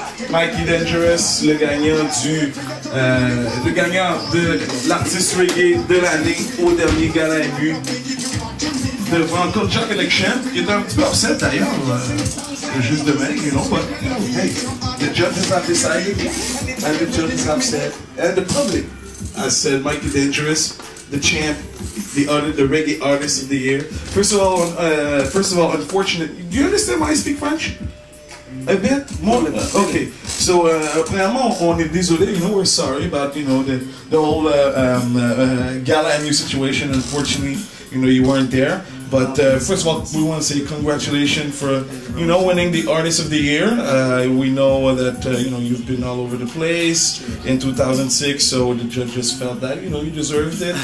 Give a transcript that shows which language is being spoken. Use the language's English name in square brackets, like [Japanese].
[French] Mikey Dangerous, le gagnant du le gagnant de l'artiste reggae de l'année au dernier gala MU devant Culture Collection, qui est un petit peu upset d'ailleurs, juste demain, [English] you know what? Hey, the judges have decided, and the judges have said, and the public has said Mikey Dangerous, the champ, the reggae artist of the year. First of all, unfortunate. Do you understand why I speak French? A bit? More? Okay. [French] So, premièrement, on est désolé. [English] You know, we're sorry about, you know, the whole gala MU situation. Unfortunately, you know, you weren't there. But first of all, we want to say congratulations for, you know, winning the Artist of the Year. We know that, you know, you've been all over the place in 2006, so the judges felt that, you know, you deserved it.